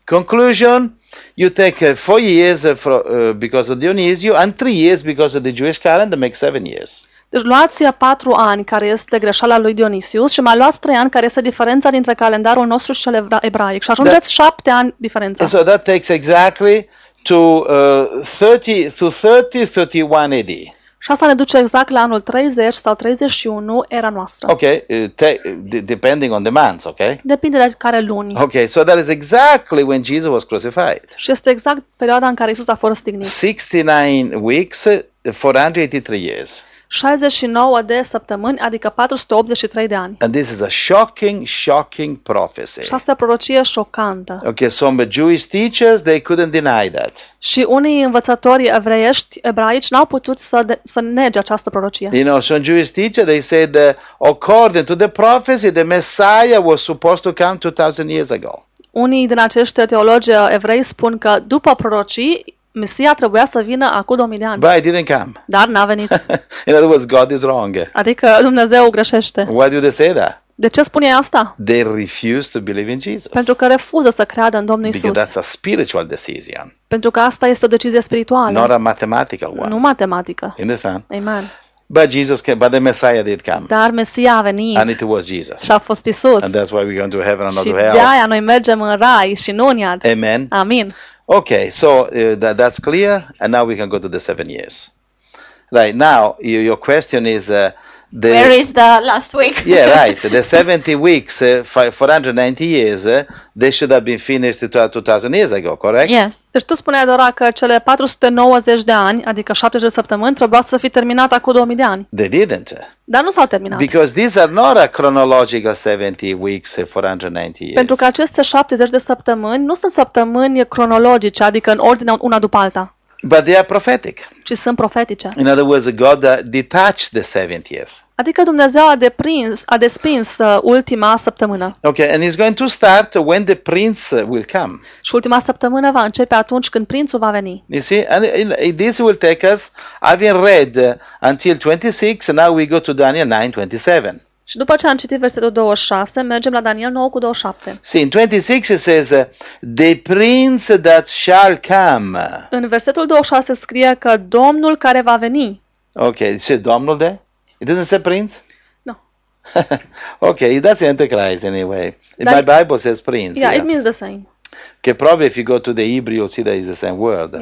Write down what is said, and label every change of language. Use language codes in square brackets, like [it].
[en] Conclusion, you take 4 years because of Dionysio and 3 years because of the Jewish calendar makes 7 years. [ro] Deci luați 4 ani care este greșeala lui Dionysius și mai luați 3 ani care este diferența dintre calendarul nostru și cel ebraic și ajungeți 7 ani diferență. [en] So that takes exactly to 31 AD. [ro] Și asta ne duce exact la anul 30 sau 31 era noastră. [en] Okay, depending on the months, okay? [ro] Depinde de care luni. [en] Okay, so that is exactly when Jesus was crucified. [ro] Și este exact perioada în care Isus a fost stignit. [en] 69 weeks, 483 years. [ro] 69 de săptămâni, adică 483 de ani. [en] And this is a shocking prophecy. [ro] Și asta e o prorocie șocantă. [en] Okay, some Jewish teachers, they couldn't deny that. [ro] Și unii învățători evreiești, ebraici, n-au putut să nege această prorocie. [en] You know, some Jewish teachers, they said that according to the prophecy, the Messiah was supposed to come 2000 years ago. [ro] Unii din acești teologi evrei spun că după prorocii Mesia trebuia să vină acum 2000 de ani. [en] But it didn't come. [ro] Dar n-a venit. [en] In other words, God is wrong. [ro] Adică Dumnezeu greșește. [en] Why do they say that? [ro] De ce spune asta? [en] They refuse to believe in Jesus. [ro] Pentru că refuză să creadă în Domnul Isus. [en] Because that's a spiritual decision. [ro] Pentru că asta este o decizie spirituală. [en] Not a mathematical one. [ro] Nu matematică. [en] Understand? Amen. But Jesus came, but the Messiah did come. [ro] Dar Mesia a venit. [en] And it was Jesus. [ro] Și a fost Isus. [en] And that's why we're going to heaven and not [ro] și [en] to hell. [ro] Și de-aia noi mergem în rai și nu în iad. [en] Amen. [ro] Amin. [en] Okay, so that's clear, and now we can go to the 7 years. Right, now, your question is... Where is the last week? Yeah, right, the 70 weeks, 490 years, they should have been finished 2000 years ago, correct? Yes. [ro] Deci tu spuneai, Dora, că cele 490 de ani, adică 70 de săptămâni, trebuia să fi terminat acum 2000 de ani. [en] They didn't. [ro] Dar nu s-au terminat. [en] Because these are not a chronological 70 weeks, 490 years. [ro] Pentru că aceste 70 de săptămâni nu sunt săptămâni cronologice, adică în ordine una după alta. [en] But they are prophetic. [ro] Ci sunt profetice. [en] In other words, God detached the 70th. [ro] Adică Dumnezeu a desprins ultima săptămână. [en] Okay, and it's going to start when the prince will come. [ro] Și ultima săptămână va începe atunci când prințul va veni. [en] You see, and this will take us, I've read until 26, and now we go to Daniel 9:27. [ro] Și după ce am citit versetul 26, mergem la Daniel 9:27. [en] See, in 26 it says, the prince that shall come. [ro] În versetul 26 scrie că Domnul care va veni. [en] Okay, it says [ro] Domnul de? [en] It doesn't say prince? No. Okay, that's the Antichrist anyway. [ro] Dar [en] my Bible says prince. Yeah, it means the same. Okay, probably if you go to the Hebrew, you'll see that it's the same word.